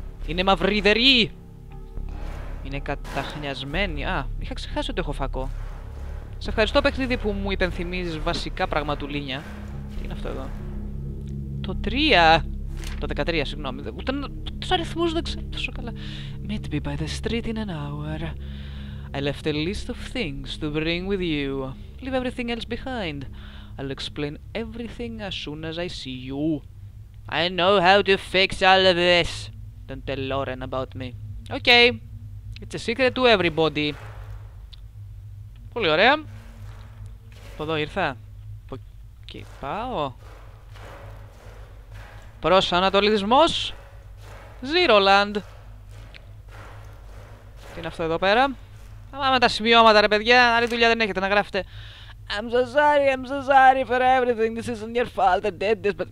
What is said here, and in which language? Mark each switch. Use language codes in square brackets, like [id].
[el] Είναι μαυρίδερη. Είναι καταχνιασμένη. Α, είχα ξεχάσει ότι έχω φακό. Σε ευχαριστώ παιχνίδι που μου υπενθυμίζεις βασικά πραγματουλίνια. Τι είναι αυτό εδώ? Το 3! Το 13, συγγνώμη. Ούτε τους αριθμούς δεν ξέρω τόσο καλά. [en] Meet me by the street in an hour. I left a list of things to bring with you. Leave everything else behind. I'll explain everything as soon as I see you. I know how to fix all of this. Don't tell Lauren about me. Okay. It's a secret to everybody. [el] Πολύ ωραία. Από εδώ ήρθα. Από εκεί πάω. Προς ανατολισμός. Zeroland. Τι είναι αυτό εδώ πέρα? Πάμε τα σημειώματα ρε παιδιά. Άλλη δουλειά δεν έχετε να γράφετε. [en] I'm so sorry for everything. This isn't your fault. I did this, but...